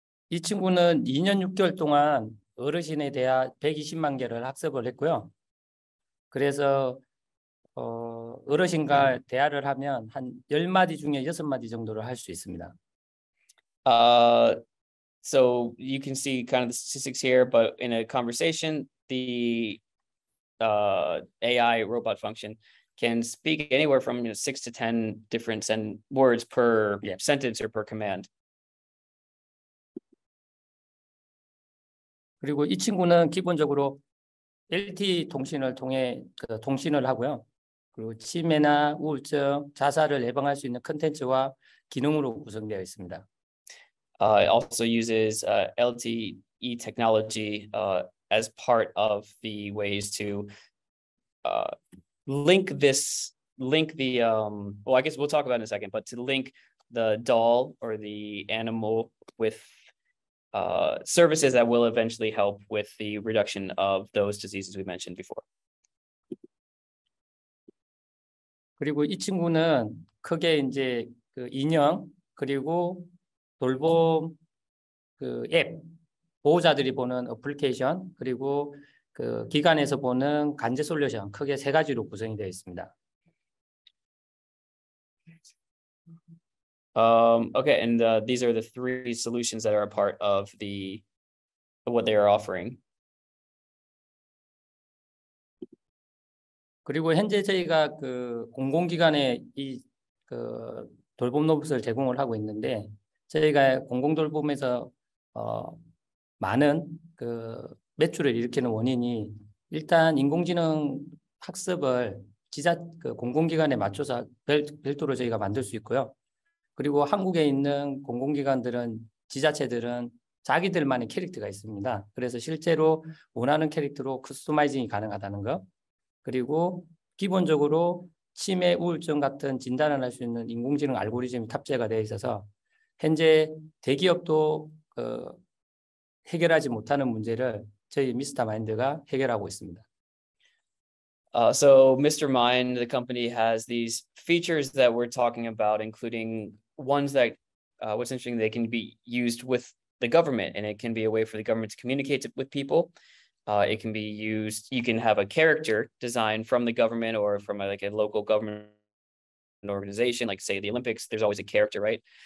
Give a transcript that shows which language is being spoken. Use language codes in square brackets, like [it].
[ko] 이 친구는 2년 6개월 동안 어르신에 대한 120만 개를 학습을 했고요. 그래서 어르신과 yeah. 대화를 하면 한 10마디 중에 6마디 정도를 할 수 있습니다. [en] So you can see kind of the statistics here, but in a conversation, the AI robot function can speak anywhere from, you know, 6 to 10 different words per yeah. sentence or per command. [ko] 그리고 이 친구는 기본적으로 LTE 통신을 통해 그 통신을 하고요. 그리고 치매나 우울증, 자살을 예방할 수 있는 콘텐츠와 기능으로 구성되어 있습니다. [en] It also uses LTE technology as part of the ways to to link the doll or the animal with services that will eventually help with the reduction of those diseases we mentioned before. [ko] 그리고 이 친구는 크게 이제 그 인형 그리고 돌봄 그 앱 보호자들이 보는 어플리케이션 그리고 그 기관에서 보는 간제 솔루션 크게 세 가지로 구성이 되어 있습니다. [en] Okay, and these are the three solutions that are a part of the what they are offering. [ko] 그리고 현재 저희가 그 공공기관에 이 그 돌봄 로봇을 제공을 하고 있는데 저희가 공공 돌봄에서 많은 그 매출을 일으키는 원인이 일단 인공지능 학습을 그 공공기관에 맞춰서 별도로 저희가 만들 수 있고요. 그리고 한국에 있는 공공기관들은 지자체들은 자기들만의 캐릭터가 있습니다. 그래서 실제로 원하는 캐릭터로 커스터마이징이 가능하다는 것. 그리고 기본적으로 치매, 우울증 같은 진단을 할 수 있는 인공지능 알고리즘이 탑재가 되어 있어서 현재 대기업도 해결하지 못하는 문제를 저희 Mr.Mind가 해결하고 있습니다. [en] So Mr.Mind, the company, has these features that we're talking about, including ones that, what's interesting, they can be used with the government, and it can be a way for the government to communicate with people. It can be used, you can have a character designed from the government or from a local government organization, like say the Olympics, there's always a character, right?